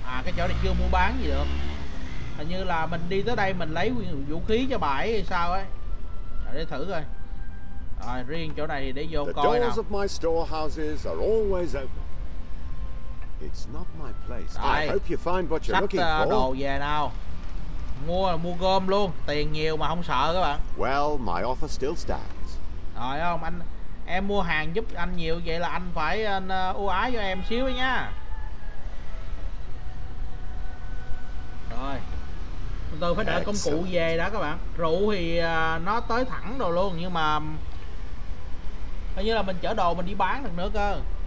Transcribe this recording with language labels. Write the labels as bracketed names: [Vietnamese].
[Vietnamese] À cái chỗ này chưa mua bán gì được. Hình như là mình đi tới đây mình lấy vũ khí cho bà hay sao ấy. Để thử coi. Rồi riêng chỗ này thì để vô [English] the [Vietnamese] coi nào. [English] The doors of my storehouses are always open. It's not my place. [Vietnamese] Đây. [English] I hope you find what you're looking for. [Vietnamese] Đồ về nào. Mua gom luôn, tiền nhiều mà không sợ các bạn. [English] Well, my offer still stands. [Vietnamese] Rồi không, anh em mua hàng giúp anh nhiều vậy là anh phải ưu ái cho em xíu nha. Rồi. Tôi phải đợi công cụ về đó các bạn. Rượu thì nó tới thẳng rồi luôn, nhưng mà hình như là mình chở đồ mình đi bán được nữa cơ.